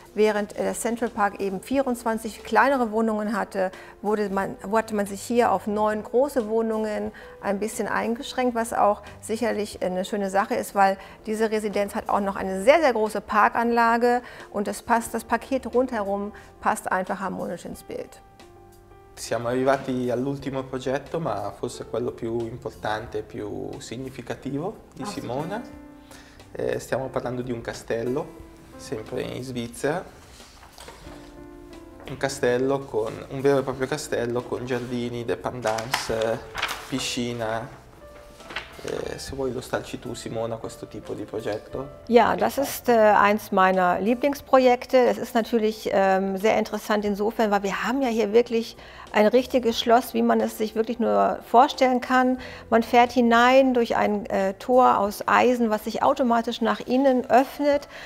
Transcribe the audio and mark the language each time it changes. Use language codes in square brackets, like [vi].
[de] Während der Central Park eben 24 kleinere Wohnungen hatte, hatte man sich hier auf 9 große Wohnungen ein bisschen eingeschränkt, was auch sicherlich eine schöne Sache ist, weil diese Residenz hat auch noch eine sehr, sehr große Parkanlage und das Paket rundherum passt einfach harmonisch ins Bild. [it] Siamo arrivati all'ultimo progetto, ma forse quello più importante e più significativo di Simona. Stiamo parlando di un castello, sempre in Svizzera. Un castello con un vero e proprio castello con giardini, dépendance, piscina. Se vuoi lo stalci tu, Simona, questo tipo di progetto? [de] Ja, das ist eins meiner Lieblingsprojekte. Es ist natürlich sehr interessant insofern, weil wir haben ja hier wirklich ein richtiges Schloss, wie man es sich wirklich nur vorstellen kann. Man fährt hinein durch ein Tor aus Eisen, was sich automatisch nach innen öffnet.